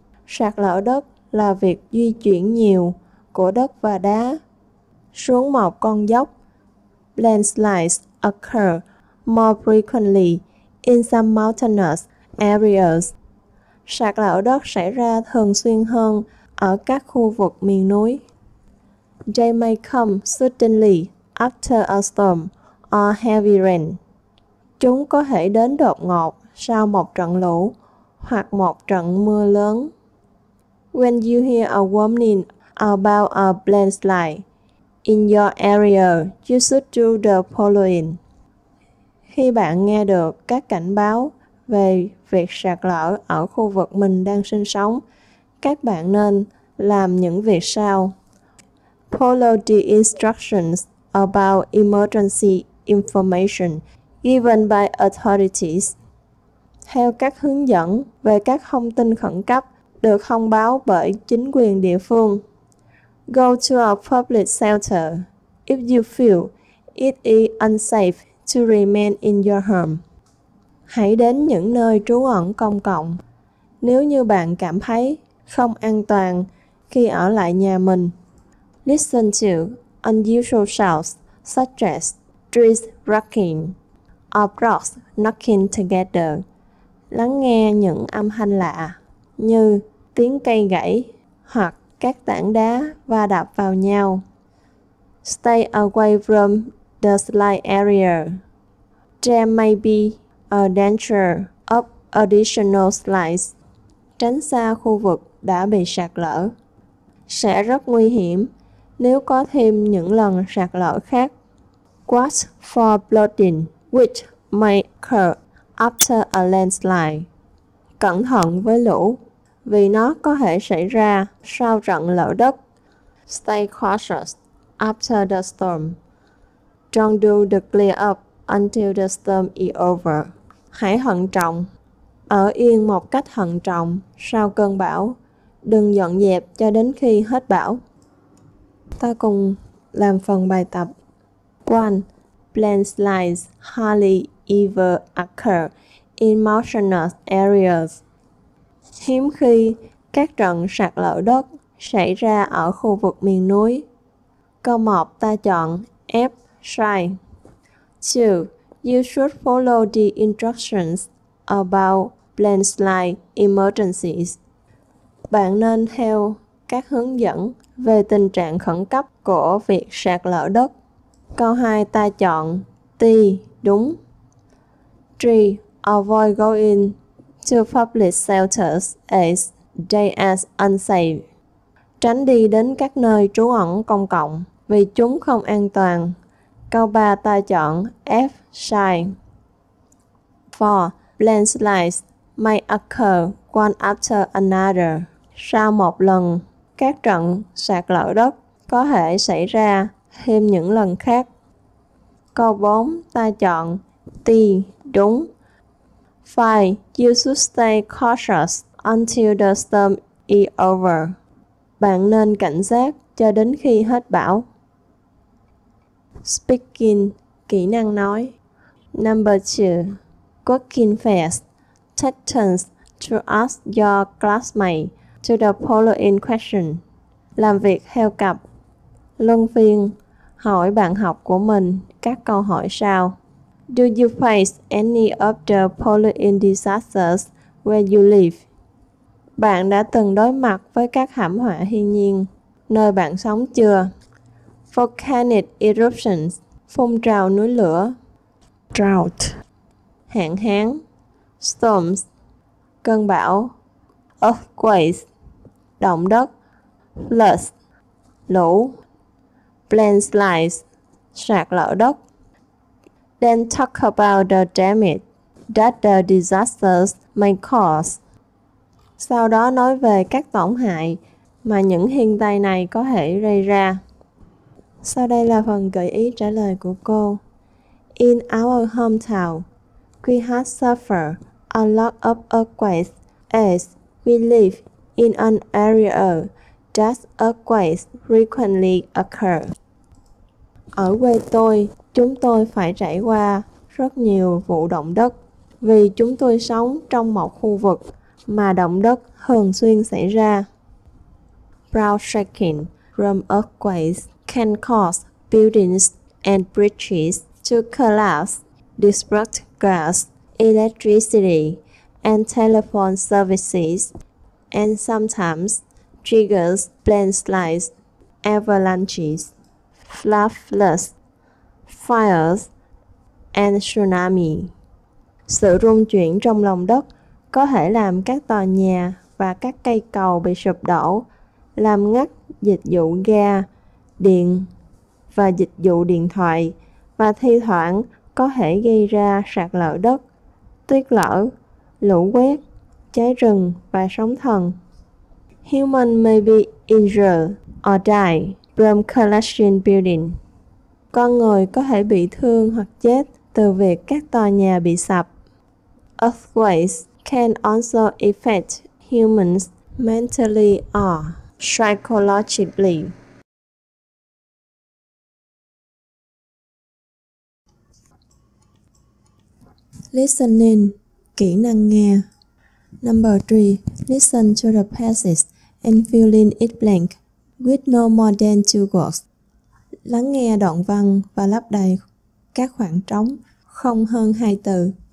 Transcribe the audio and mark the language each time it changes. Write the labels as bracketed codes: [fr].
[vi] Sạt lở đất là việc di chuyển nhiều của đất và đá xuống một con dốc. [en] Landslides occur more frequently in some mountainous areas. [vi] Sạt lở đất xảy ra thường xuyên hơn ở các khu vực miền núi. [en] They may come suddenly after a storm or heavy rain. [vi] Chúng có thể đến đột ngột sau một trận lũ hoặc một trận mưa lớn. [en] When you hear a warning about a landslide in your area, you should do the following. [vi] Khi bạn nghe được các cảnh báo về việc sạt lở ở khu vực mình đang sinh sống, Các bạn nên làm những việc sau. [en] Follow the instructions about emergency information given by authorities. [vi] Theo các hướng dẫn về các thông tin khẩn cấp được thông báo bởi chính quyền địa phương. [en] Go to a public shelter if you feel it is unsafe to remain in your home. [vi] Hãy đến những nơi trú ẩn công cộng nếu như bạn cảm thấy không an toàn khi ở lại nhà mình. [en] Listen to unusual sounds such as trees rocking or rocks knocking together. [vi] Lắng nghe những âm thanh lạ như tiếng cây gãy hoặc các tảng đá va đập vào nhau. [en] Stay away from the slide area. There may be a danger of additional slides. [vi] Tránh xa khu vực đã bị sạt lở. Sẽ rất nguy hiểm nếu có thêm những lần sạt lở khác. [en] Watch for flooding, which may occur after a landslide. [vi] Cẩn thận với lũ, vì nó có thể xảy ra sau trận lở đất. [en] Stay cautious after the storm. Don't do the clear up until the storm is over. [vi] Hãy thận trọng. Ở yên một cách thận trọng sau cơn bão. Đừng dọn dẹp cho đến khi hết bão. Ta cùng làm phần bài tập. [en] 1. Landslides hardly ever occur in mountainous areas. [vi] Hiếm khi các trận sạt lở đất xảy ra ở khu vực miền núi. Câu 1 ta chọn F sign. 2. [en] You should follow the instructions about landslide emergencies. [vi] Bạn nên theo các hướng dẫn về tình trạng khẩn cấp của việc sạt lở đất. Câu 2 ta chọn T đúng. 3. [en] Avoid going to public shelters as they are unsafe. [vi] Tránh đi đến các nơi trú ẩn công cộng vì chúng không an toàn. Câu 3 ta chọn F sign. 4. [en] Landslides may occur one after another. [vi] Sau một lần, các trận sạt lở đất có thể xảy ra thêm những lần khác. Câu 4 ta chọn T đúng. 5. [en] You should stay cautious until the storm is over. [vi] Bạn nên cảnh giác cho đến khi hết bão. [en] Speaking, [vi] kỹ năng nói. [en] Number 2. Working fast. Take turns to ask your classmate to the following question. [vi] Làm việc theo cặp. Luân phiên, hỏi bạn học của mình các câu hỏi sau. [en] Do you face any of the following disasters where you live? [vi] Bạn đã từng đối mặt với các thảm họa thiên nhiên nơi bạn sống chưa? [en] Volcanic eruptions, [vi] phun trào núi lửa. [en] Drought, [vi] hạn hán. Storms, cơn bão. Earthquakes, động đất. Floods, lũ. Landslides, sạt lở đất. [en] Then talk about the damage that the disasters may cause. [vi] Sau đó nói về các tổn hại mà những thiên tai này có thể gây ra. Sau đây là phần gợi ý trả lời của cô. [en] In our hometown, we have suffered a lot of earthquakes as we live in an area that earthquakes frequently occur. [vi] Ở quê tôi, chúng tôi phải trải qua rất nhiều vụ động đất vì chúng tôi sống trong một khu vực mà động đất thường xuyên xảy ra. [en] Ground shaking from earthquakes can cause buildings and bridges to collapse, disrupt gas, electricity, and telephone services, and sometimes triggers landslides, avalanches, flash floods, fires, and tsunami. [vi] Sự rung chuyển trong lòng đất có thể làm các tòa nhà và các cây cầu bị sụp đổ, làm ngắt dịch vụ ga, điện và dịch vụ điện thoại và thi thoảng có thể gây ra sạt lở đất, tuyết lở, lũ quét, cháy rừng và sóng thần. [en] Human may be injured or die from collection building. [vi] Con người có thể bị thương hoặc chết từ việc các tòa nhà bị sập. [en] Earthquakes can also affect humans mentally or psychologically. Listening, [vi] kỹ năng nghe. [en] Number 3. Listen to the passage and fill in it blank with no more than two words. [vi] Lắng nghe đoạn văn và lấp đầy các khoảng trống, không hơn hai từ.